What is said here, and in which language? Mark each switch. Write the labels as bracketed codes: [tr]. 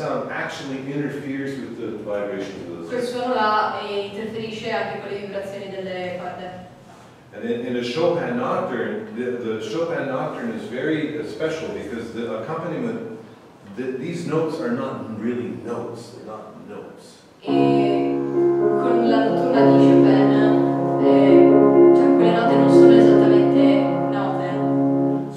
[en] Actually interferes with the vibration of the string. [it] Questo suono là interferisce anche con le vibrazioni delle corde. [en] And in a Chopin nocturne, the Chopin nocturne is very special because the accompaniment, these notes are not really notes, they're not notes. [it] E con la notturna di Chopin, cioè quelle note non sono esattamente note.